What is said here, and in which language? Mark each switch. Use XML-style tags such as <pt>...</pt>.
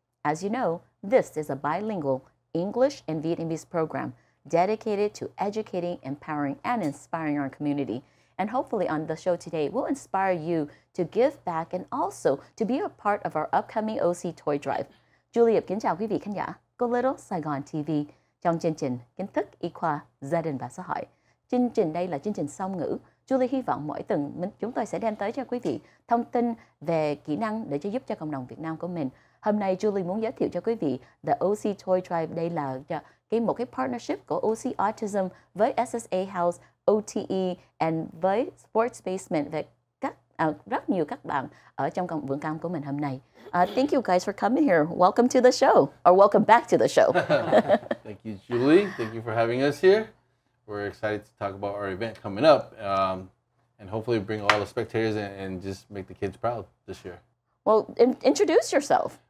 <en>As you know, this is a bilingual English and Vietnamese program dedicated to educating, empowering, and inspiring our community. And hopefully on the show today, we'll inspire you to give back and also to be a part of our upcoming OC Toy Drive.</en> <vi>Julie, kính chào quý vị khán giả của Little Saigon TV trong chương trình Kiến thức Y khoa Gia đình và Xã hội. Chương trình đây là chương trình song ngữ. Julie hy vọng mỗi tuần chúng tôi sẽ đem tới cho quý vị thông tin về kỹ năng để cho giúp cho cộng đồng Việt Nam của mình. Hôm nay Julie muốn giới thiệu cho quý vị The OC Toy Drive. Đây là một cái partnership của OC Autism với SSA House, OTE and với Sports Basement và rất nhiều các bạn ở trong cộng vườn cam của mình hôm nay.</vi> <en>Thank you guys for coming here. Welcome to the show, or welcome back to the show. Thank you, Julie. Thank you for having us here. We're excited to talk about our event coming up and hopefully bring all the spectators and just make the kids proud this year. Well, introduce yourself.</en>